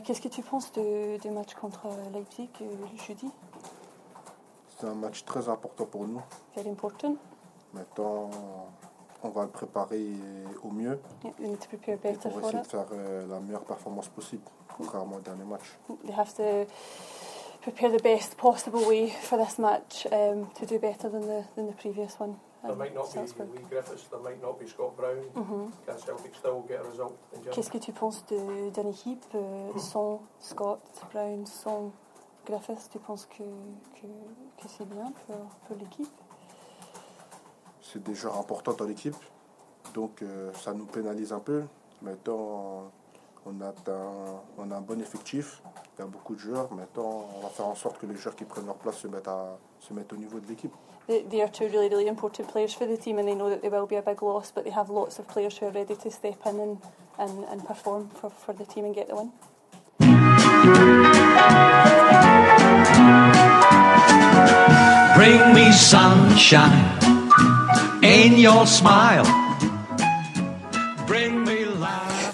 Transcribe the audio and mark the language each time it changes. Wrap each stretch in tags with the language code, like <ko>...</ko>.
<fr>Qu'est-ce que tu penses du match contre Leipzig jeudi? C'est un match très important pour nous.</fr> <en>Very important.</en> <fr>Maintenant. On va le préparer au mieux.</fr> <en>Yeah, need to prepare better</en> <fr>pour essayer de faire la meilleure performance possible, contrairement au dernier match.</fr> <en>They have to prepare the best possible way for this match to do better than the previous one. There might not Salzburg. Be Lee Griffiths, there might not be Scott Brown. Mm-hmm. Can Celtic still get a result?</en> <fr>Qu'est-ce que tu penses d'une équipe sans Scott Brown, sans Griffiths? Tu penses que c'est bien pour l'équipe? C'est des joueurs importants dans l'équipe, donc ça nous pénalise un peu. Maintenant, on a un bon effectif, il y a beaucoup de joueurs. Maintenant, on va faire en sorte que les joueurs qui prennent leur place se mettent au niveau de l'équipe.</fr> <en>They are two really, really important players for the team, and they know that they will be a big loss, but they have lots of players who are ready to step in and perform for the team and get the win. Bring me sunshine. In your smile, bring me life.</en>